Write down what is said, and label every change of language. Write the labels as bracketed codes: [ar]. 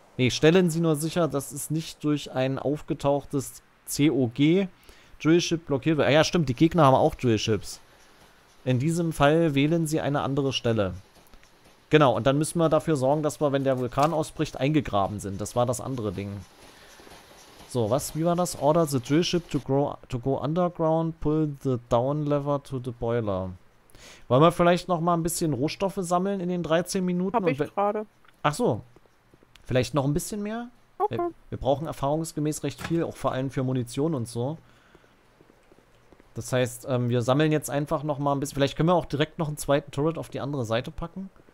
[de] Stellen Sie nur sicher, dass es nicht durch ein aufgetauchtes COG Drillship blockiert wird. Ah ja, stimmt, die Gegner haben auch Drillships. In diesem Fall wählen Sie eine andere Stelle. Genau, und dann müssen wir dafür sorgen, dass wir, wenn der Vulkan ausbricht, eingegraben sind. Das war das andere Ding. So, was? Wie war das? [en] Order the drillship to go underground, pull the down lever to the boiler. [de] Wollen wir vielleicht nochmal ein bisschen Rohstoffe sammeln in den 13 Minuten? Hab ich gerade. Ach so. Vielleicht noch ein bisschen mehr? Okay. Wir brauchen erfahrungsgemäß recht viel, auch vor allem für Munition und so. Das heißt, wir sammeln jetzt einfach noch mal ein bisschen. Vielleicht können wir auch direkt noch einen zweiten Turret auf die andere Seite packen.